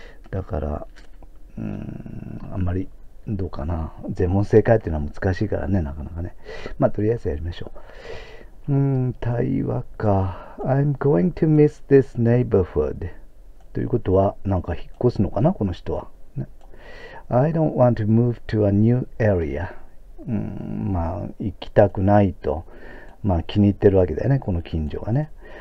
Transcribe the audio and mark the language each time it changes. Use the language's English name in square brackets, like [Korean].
[Japanese] だから、あんまりどうかな、全問正解っていうのは難しいからね、なかなかね。まあ、とりあえずやりましょう。対話か。 [English] I'm going to miss this neighborhood。 [Japanese] ということは、なんか引っ越すのかな、この人は。 [English] I don't want to move to a new area。 [Japanese] まあ、行きたくないと。まあ、気に入ってるわけだよね、この近所がね。